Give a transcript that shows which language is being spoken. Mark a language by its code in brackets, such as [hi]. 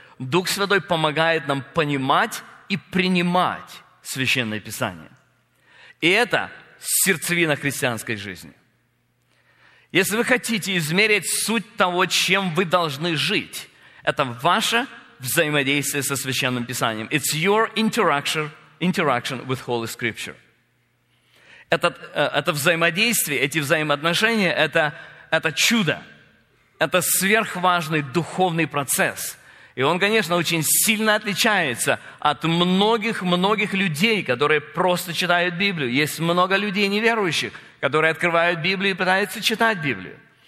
[ru] Дух Святой помогает нам понимать и принимать Священное Писание. И это сердцевина христианской жизни. Если вы хотите измерить суть того, чем вы должны жить, это ваше взаимодействие со Священным Писанием. [en] It's your interaction with Holy Scripture. [ru] Это взаимодействие, эти взаимоотношения, это чудо. Это сверхважный духовный процесс. И он, конечно, очень сильно отличается от многих-многих людей, которые просто читают Библию. Есть много людей неверующих, которые открывают Библию и пытаются читать Библию.